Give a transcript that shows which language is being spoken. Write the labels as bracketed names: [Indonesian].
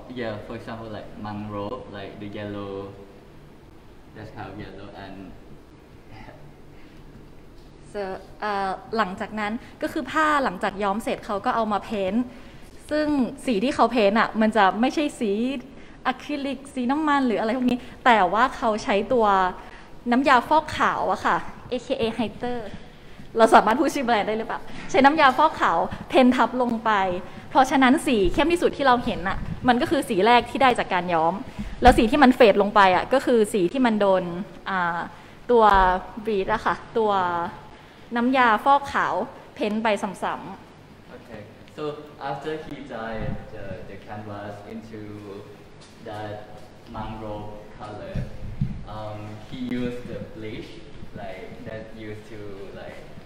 [English] Yeah, for example, like mangrove, like the yellow. That's how yellow and. [Thai] So, หลังจากนั้นก็คือผ้าหลังจากย้อมเสร็จเขาก็เอามาเพ้นท์ซึ่งสีที่เขาเพ้นท์อ่ะมันจะไม่ใช่สีอะคริลิกสีน้ำมันหรืออะไรพวกนี้แต่ว่าเขาใช้ตัว น้ำยาฟอกขาวอะค่ะ AKA Hiterเราสามารถพูดชื่อแบรนด์ได้หรือเปล่าใช้น้ำยาฟอกขาวเพ้นทับลงไปเพราะฉะนั้นสีเข้มที่สุดที่เราเห็นอ่ะมันก็คือสีแรกที่ได้จากการย้อมแล้วสีที่มันเฟดลงไปอ่ะก็คือสีที่มันโดนตัวบีทอะค่ะตัวน้ำยาฟอกขาวเพ้นไปซ้ำ [English] ๆ Okay so after he dyed the canvas into that mangrove color he used the bleach like that used to like